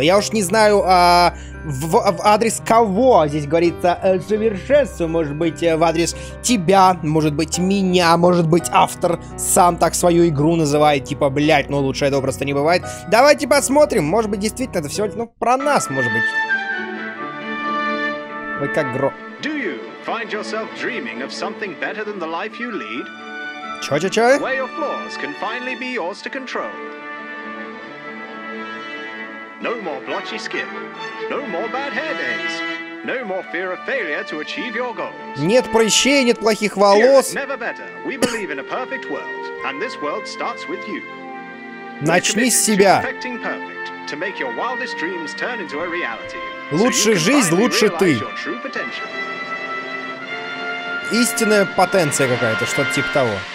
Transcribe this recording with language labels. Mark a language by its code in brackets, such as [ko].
[ru] Я уж не знаю, в адрес кого здесь говорится Совершенство. Может быть, в адрес тебя, может быть, меня, может быть, автор сам так свою игру называет. Типа, блять, ну лучше этого просто не бывает. Давайте посмотрим, может быть, действительно, это всего лишь, ну, про нас, может быть. Ой, как гро... [en] Find yourself dreaming of something better than the life you lead? [ru] Чё? [en] Where your flaws can finally be yours to control. No more blotchy skin. No more bad hair days. No more fear of failure to achieve your goals. [ru] Нет прыщей, нет плохих волос. [en] Never better. We believe in a perfect world, and this world starts with you. [ru] Начни с себя. [en] Perfecting perfect, to make your wildest dreams turn into a reality. [ru] Лучше жизнь, лучше ты. Истинная потенция какая-то, что-то типа того.